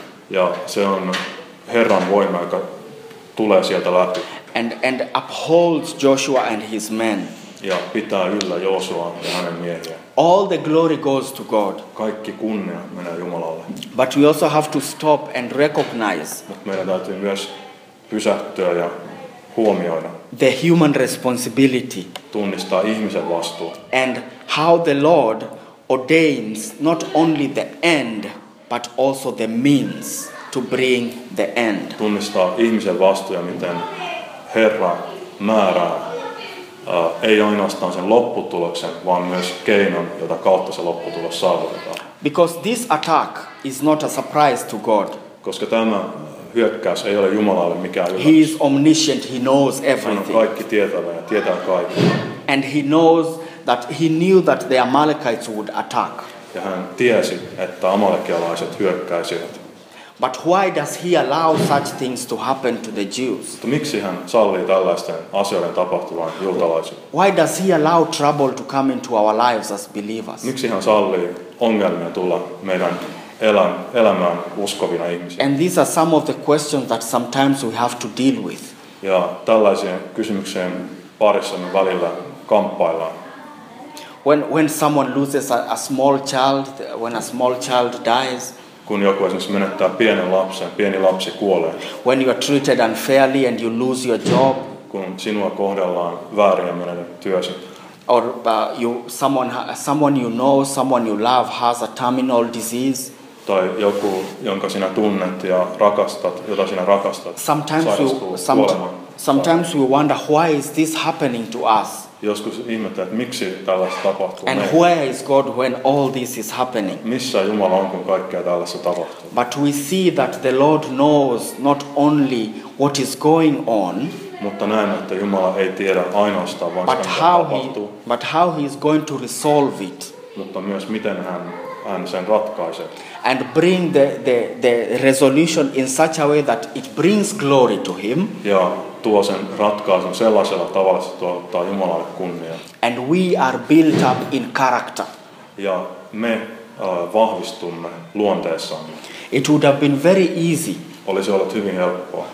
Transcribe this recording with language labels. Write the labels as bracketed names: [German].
[Finnish] Ja se on Herran voima, joka tulee sieltä läpi. [English] And upholds Joshua and his men. [Finnish] Ja pitää yllä Joshua ja hänen miehiä. [English] All the glory goes to God. [Finnish] Kaikki kunnia menee Jumalalle. [English] But we also have to stop and recognize. [Finnish] Mutta meidän täytyy myös pysähtyä ja huomioida. [English] The human responsibility. [Finnish] Tunnistaa ihmisen vastuu. [English] And how the Lord ordains not only the end, but also the means to bring the end. [Finnish] Tunnistaa ihmisen vastuja, miten Herra määrää ei ainoastaan sen lopputuloksen, vaan myös keinon, jota kautta se lopputulos saavutetaan. [English] Because this attack is not a surprise to God. [Finnish] Koska tämä hyökkäys ei ole Jumalalle mikään yllätys. [English] He is omniscient, he knows everything. [Finnish] Hän on kaikki tietävä ja tietää kaiken. [English] And he knew that the Amalekites would attack. [Finnish] ja hän tiesi, että amalekialaiset hyökkäisivät. [English] But why does he allow such things to happen to the Jews? [Finnish] Mutta miksi hän sallii tällaisten asioiden tapahtuvan juutalaisille? [English] Why does he allow trouble to come into our lives as believers? [Finnish] Miksi hän sallii ongelmia tulla meidän elämään uskovina ihmisiä? [English] And these are some of the questions that sometimes we have to deal with. [Finnish] Ja tällaisiin kysymykseen parissa me välillä kamppaillaan. [English] When someone loses a small child, when a small child dies, [Finnish] kun joku esimerkiksi menettää pienen lapsen, pieni lapsi kuolee. [English] When you are treated unfairly and you lose your job, [Finnish] kun sinua kohdellaan väärin ja menetät työsi. [English] Or someone you know, someone you love has a terminal disease. [Finnish] Tai joku, jonka sinä tunnet ja rakastat, jota sinä rakastat, sairastuu kuolemaan. [English] Sometimes we wonder why is this happening to us. [Finnish] Joskus ihmettelet, miksi tällaista tapahtuu. [English] And where is God when all this is happening? [Finnish] Missä Jumala on, kun kaikkea tällaista tapahtuu? [English] But we see that the Lord knows not only what is going on. [Finnish] Mutta näemme, että Jumala ei tiedä ainoastaan vain sitä, mitä tapahtuu. [English] But how he is going to resolve it. [Finnish] Mutta myös miten hän sen ratkaisee. [English] And bring the resolution in such a way that it brings glory to him. [Finnish] Ja tuo sen ratkaisun sellaisella tavalla, että tuottaa Jumalalle kunnia. [English] And we are built up in character. [Finnish] Ja me vahvistumme luonteessamme. [English] It would have been very easy. [Finnish] Olisi ollut hyvin helppoa.